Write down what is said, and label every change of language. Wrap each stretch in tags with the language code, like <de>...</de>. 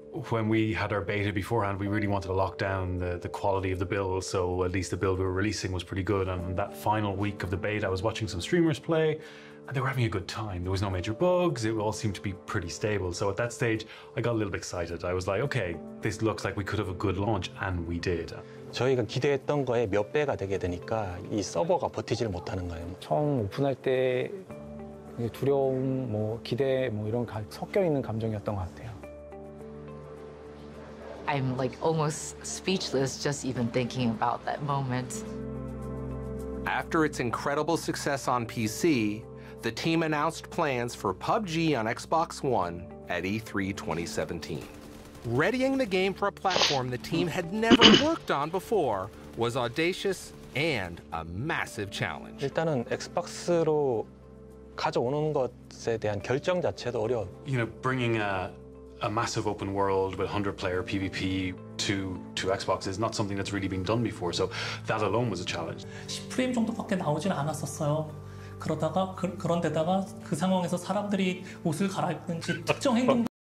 <en>when we had our beta beforehand, we really wanted to lock down the quality of the build, so at least the build we were releasing was pretty good. And that final week of the beta, I was watching some streamers play, and they were having a good time. There was no major bugs, it all seemed to be pretty stable. So at that stage, I got a little bit excited. I was like, okay, this looks like we could have a good launch, and we did.</en> <ko>저희가 기대했던 거에 몇 배가 되게 되니까 이 서버가 버티질 못하는 거예요. 처음 오픈할 때 두려움, 뭐 기대, 뭐 이런 섞여 있는 감정이었던 것 같아요.</ko> <en>I'm like almost speechless just even thinking about that moment. After its incredible success on PC, the team announced plans for PUBG on Xbox One at E3 2017. Readying the game for a platform the team had never worked on before was audacious and a massive challenge.</en> <ko>일단은 엑스박스로 가져오는 것에 대한 결정 자체도 어려워.</ko> <en>You know, bringing a massive open world with 100-player PvP to Xbox is not something that's really been done before, so that alone was a challenge.</en> <ko>10프레임 정도밖에 나오진 않았었어요. 그러다가 그런데다가 그 상황에서 사람들이 옷을 갈아입는지 특정 행동</ko>